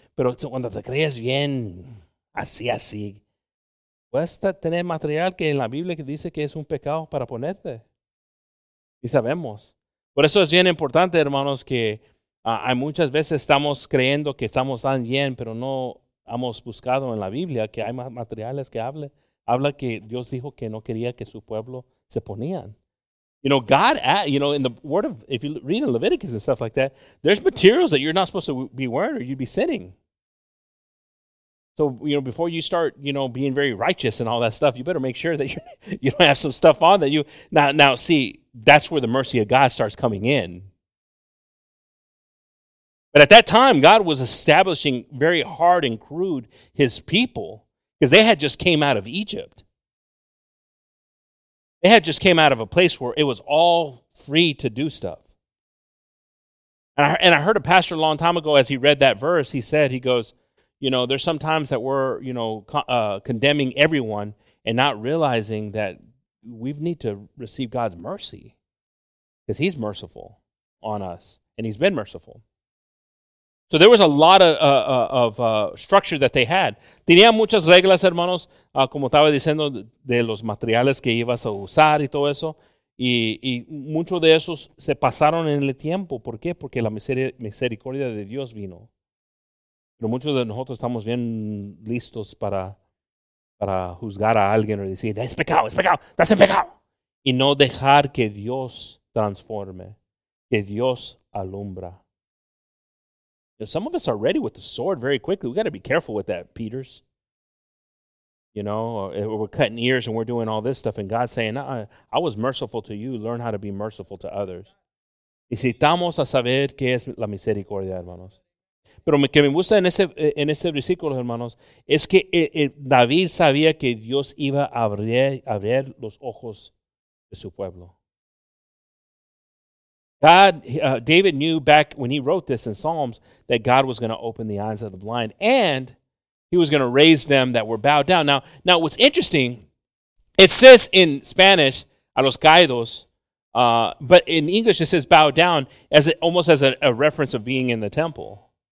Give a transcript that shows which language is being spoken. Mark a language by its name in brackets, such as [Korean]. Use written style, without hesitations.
[Spanish] Pero cuando te crees bien, así, puedes tener material que en la Biblia que dice que es un pecado para ponerte. Y sabemos. Por eso es bien importante, hermanos, que hay muchas veces estamos creyendo que estamos tan bien, pero no hemos buscado en la Biblia que hay más materiales que habla que Dios dijo que no quería que su pueblo se ponían. [English] You know, God, you know, in the word of, if you read in Leviticus and stuff like that, there's materials that you're not supposed to be wearing or you'd be sinning. So, you know, before you start, you know, being very righteous and all that stuff, you better make sure that you don't have some stuff on that you, now see, that's where the mercy of God starts coming in. But at that time, God was establishing very hard and crude his people because they had just came out of Egypt. They had just came out of a place where it was all free to do stuff. And I heard a pastor a long time ago as he read that verse, he goes, you know, there's some times that we're, you know, condemning everyone and not realizing that we need to receive God's mercy because he's merciful on us and he's been merciful. So there was a lot of structure that they had. [Spanish] Tenían muchas reglas, hermanos, como estaba diciendo, de los materiales que ibas a usar y todo eso. Y muchos de esos se pasaron en el tiempo. ¿Por qué? Porque la misericordia de Dios vino. Pero muchos de nosotros estamos bien listos para juzgar a alguien o decir, es pecado, estás en pecado. Y no dejar que Dios transforme, que Dios alumbra. [English] Some of us are ready with the sword very quickly. We got to be careful with that, Peters. You know, we're cutting ears and we're doing all this stuff. And God's saying, I was merciful to you. Learn how to be merciful to others. [Spanish] Necesitamos a saber qué es la misericordia, hermanos. Pero lo que me gusta en ese versículo, hermanos, es que David sabía que Dios iba a abrir los ojos de su pueblo. [English] David knew back when he wrote this in Psalms that God was going to open the eyes of the blind and he was going to raise them that were bowed down. Now what's interesting, it says in Spanish, [Spanish] a los caídos, [English] but in English it says bowed down almost as a reference of being in the temple.